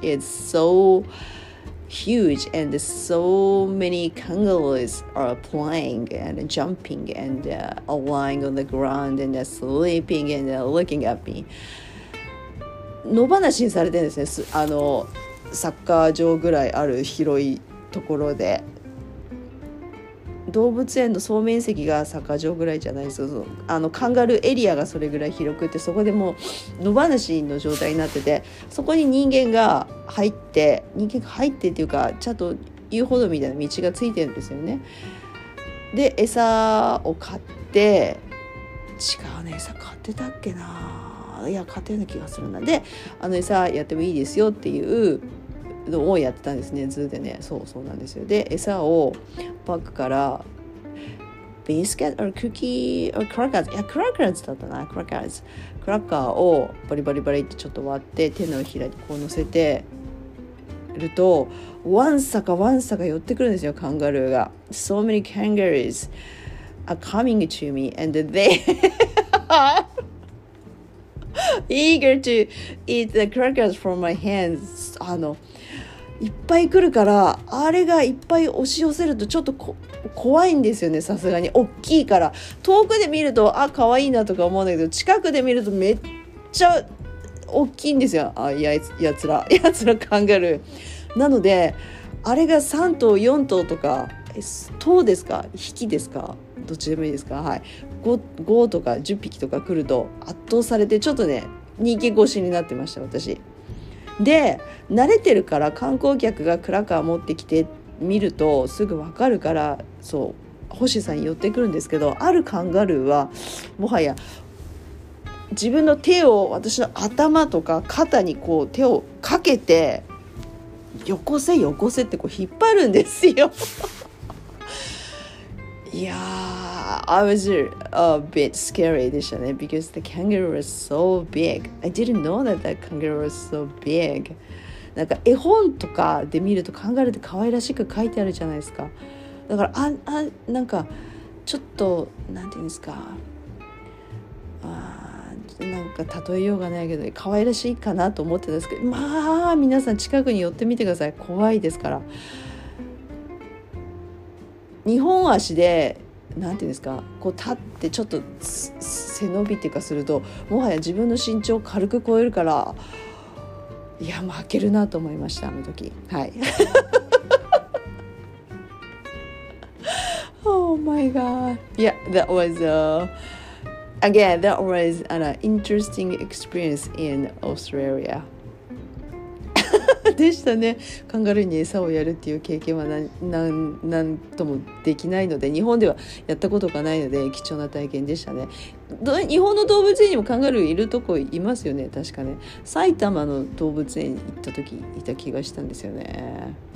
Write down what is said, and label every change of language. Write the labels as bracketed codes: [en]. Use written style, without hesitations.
[en] It's so huge and so many kangaroos are playing and jumping and lying on the ground and sleeping and looking at me. [ja] 野放しにされてるんですね。サッカー場ぐらいある広いところで、動物園の総面積がサッカー場ぐらいじゃないですよ。カンガルーエリアがそれぐらい広くて、そこでもう野放しの状態になってて、そこに人間が入ってっていうか、ちゃんと遊歩道みたいな道がついてるんですよね。で餌を買って、違うね、餌買ってたっけな、いや勝手な気がするな。で餌やってもいいですよっていうのをやってたんですね、ズーでね。そうそうなんですよ。で餌をバッグからビスケットクッキークラッカーズ、いやクラッカーズだったな、クラッカーズ、クラッカーをバリバリバリってちょっと割って手のひらにこう乗せてると、ワンサカワンサカ寄ってくるんですよ、カンガルーが。 [en] So many kangaroos are coming to me and they eager to eat the crackers from my hands. [ja] いっぱい来るから、あれがいっぱい押し寄せるとちょっとこ怖いんですよね。さすがに大きいから、遠くで見るとあ可愛いなとか思うんだけど、近くで見るとめっちゃ大きいんですよ。あ、いや、やつらやつらカンガルー。なのであれが3頭4頭とか、頭ですか引きですか、どっちでもいいですか、はい、5とか10匹とか来ると圧倒されて、ちょっとね人気越しになってました、私。で慣れてるから、観光客がクラッカー持ってきて見るとすぐ分かるから、そう星さん寄ってくるんですけど、あるカンガルーはもはや自分の手を私の頭とか肩にこう手をかけて、よこせよこせってこう引っ張るんですよ。 [en] Yeah, I was a bit scary [ja] でしたね、 [en] because the kangaroo was so big. I didn't know that the kangaroo was so big. [ja] なんか絵本とかで見るとカンガルーって可愛らしく書いてあるじゃないですか。だから、なんかちょっとなんていうんですか、なんか例えようがないけど可愛らしいかなと思ってたんですけど、まあ皆さん近くに寄ってみてください、怖いですから。 2本足でなんていうんですか、こう立ってちょっと背伸びっていうかすると、もはや自分の身長を軽く超えるから、いや負けるなと思いました、あの時。はい。 [en] Oh my god. Yeah, that was again, that was an interesting experience in Australia. [ja] でしたね。カンガルーに餌をやるっていう経験は何ともできないので、日本ではやったことがないので貴重な体験でしたね。日本の動物園にもカンガルーいるとこいますよね、確かね。埼玉の動物園に行った時いた気がしたんですよね。